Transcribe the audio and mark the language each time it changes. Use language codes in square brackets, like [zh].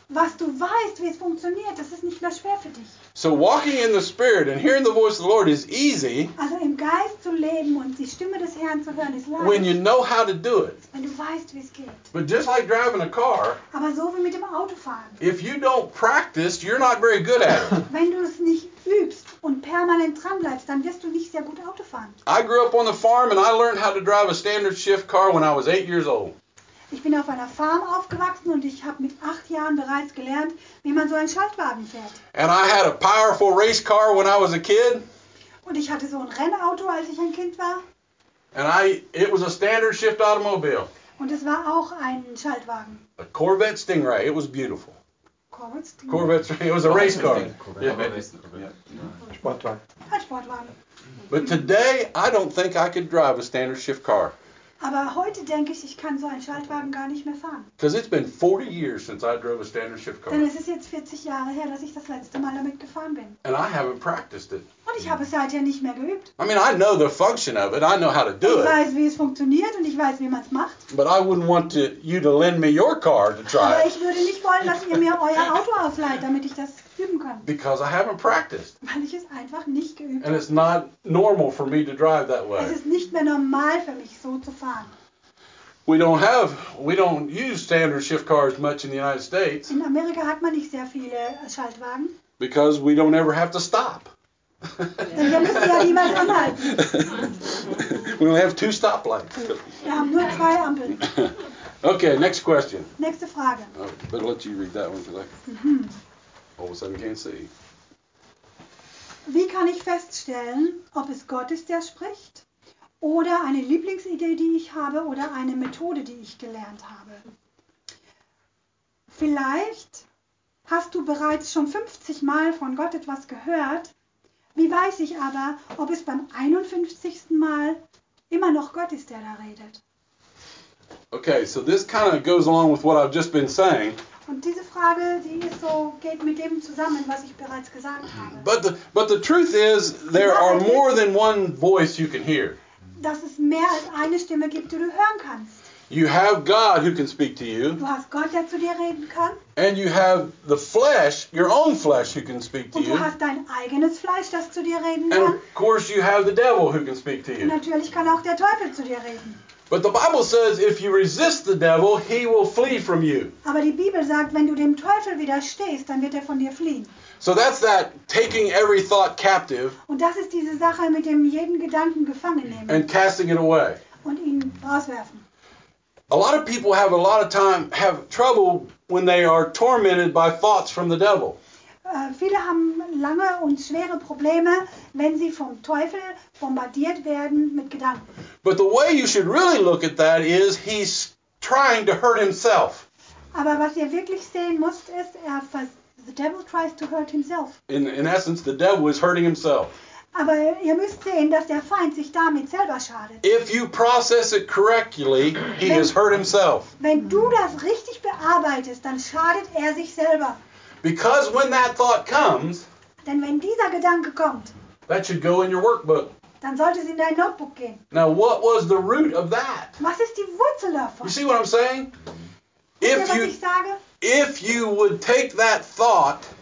[de] Was du weißt, wie es funktioniert, das ist nicht mehr schwer für dich. [en] So walking in the Spirit and hearing the voice of the Lord is easy. [de] Also im Geist zu leben und die Stimme des Herrn zu hören ist leicht. [en] When you know how to do it. [de] Wenn du weißt, wie es geht. [en] But just like driving a car. [de] Aber so wie mit dem Autofahren. [en] If you don't practice, you're not very good at it. [de] Wenn du es nicht übst und permanent dran bleibst, dann wirst du nicht sehr gut Autofahren. [en] I grew up on the farm and I learned how to drive a standard shift car when I was 8 years old. [de] Ich bin auf einer Farm aufgewachsen und ich habe mit 8 Jahren bereits gelernt, wie man so einen Schaltwagen fährt. [en] And I had a powerful race car when I was a kid. [de] Und ich hatte so ein Rennauto, als ich ein Kind war. [en] And it was a standard shift automobile. [de] Und es war auch ein Schaltwagen. [en] A Corvette Stingray, it was beautiful. Corvette Stingray? Corvette Stingray, it was a race car. Yeah. [de] Sportwagen. [en] But today, I don't think I could drive a standard shift car. [de] Aber heute denke ich, ich kann so einen Schaltwagen gar nicht mehr fahren. [en] Because it's been 40 years since I drove a standard shift car. [de] Denn es ist jetzt 40 Jahre her, dass ich das letzte Mal damit gefahren bin. [en] And I haven't practiced it. [de] Und ich habe es seither nicht mehr geübt. [en] I mean, I know the function of it. I know how to do it. [de] Ich weiß, wie es funktioniert und ich weiß, wie man es macht. [en] But I wouldn't want to, you to lend me your car to try [de] it. Aber ich würde nicht wollen, dass ihr mir euer Auto ausleiht, damit ich das üben kann. [en] Because I haven't practiced. [de] Weil ich es einfach nicht geübt habe. [en] And it's not normal for me to drive that way. [de] Es ist nicht mehr normal für mich, so zu fahren. [en] We don't use standard shift cars much in the United States. [de] In Amerika hat man nicht sehr viele Schaltwagen. [en] Because we don't ever have to stop. [de] Denn wir müssen ja niemals anhalten. [en] We only have two stoplights. [de] Wir haben nur zwei Ampeln. [en] Okay, next question. [de] Nächste Frage. [en] Oh, better let you read that one today. All of a sudden can't see. [de] Wie kann ich feststellen, ob es Gott ist, der spricht? Oder eine Lieblingsidee, die ich habe, oder eine Methode, die ich gelernt habe. Vielleicht hast du bereits schon 50 Mal von Gott etwas gehört. Wie weiß ich aber, ob es beim 51. Mal immer noch Gott ist, der da redet? [en] Okay, so this kind of goes along with what I've just been saying. [de] Und diese Frage, die ist so, geht mit dem zusammen, was ich bereits gesagt habe. [en] But the truth is, there are more than one voice you can hear. [de] Dass es mehr als eine Stimme gibt, die du hören kannst. [en] You have God who can speak to you. [de] Du hast Gott, der zu dir reden kann. [en] And you have the flesh, your own flesh, who can speak to you. [de] Und du hast dein eigenes Fleisch, das zu dir reden [en] and [de] kann. [en] And of course you have the devil who can speak to you. [de] Natürlich kann auch der Teufel zu dir reden. [en] But the Bible says if you resist the devil, he will flee from you. [de] Aber die Bibel sagt, wenn du dem Teufel widerstehst, dann wird er von dir fliehen. [en] So that's that taking every thought captive. [de] Und das ist diese Sache mit dem jeden Gedanken gefangen nehmen. [en] And casting it away. [de] Und ihn rauswerfen. [en] A lot of people have a lot of time have trouble when they are tormented by thoughts from the devil. [de] Viele haben lange und schwere Probleme, wenn sie vom Teufel bombardiert werden mit Gedanken. [en] But the way you should really look at that is he's trying to hurt himself. [de] Aber was ihr wirklich sehen müsst, ist er [en] the devil tries to hurt himself. In essence, the devil is hurting himself. [de] Aber ihr müsst sehen, dass der Feind sich damit selber schadet. [en] If you process it correctly, he has hurt himself. [de] Wenn du das richtig bearbeitest, dann schadet er sich selber. [en] Because when that thought comes, [de] denn wenn dieser Gedanke kommt, [en] that should go in your workbook. [de] Dann sollte es in dein Notebook gehen. [en] Now, what was the root of that? [de] Was ist die Wurzel davon? [en] You see what I'm saying? If you would take that thought,